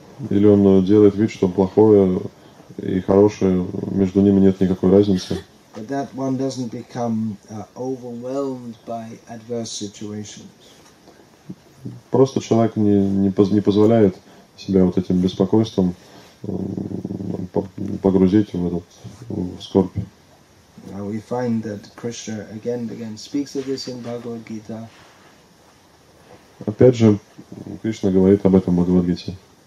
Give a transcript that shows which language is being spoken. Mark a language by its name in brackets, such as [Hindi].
[Russian] Или он делает вид, что плохое и хорошее, между ними нет никакой разницы. [English] But that one doesn't become overwhelmed by adverse situations. [Russian] Просто человек не позволяет себя вот этим беспокойством погрузить в скорбь. [English] We find that Krishna again and again speaks of this in Bhagavad Gita. [Russian] Опять же, Кришна говорит об этом в Бхагавад Гите.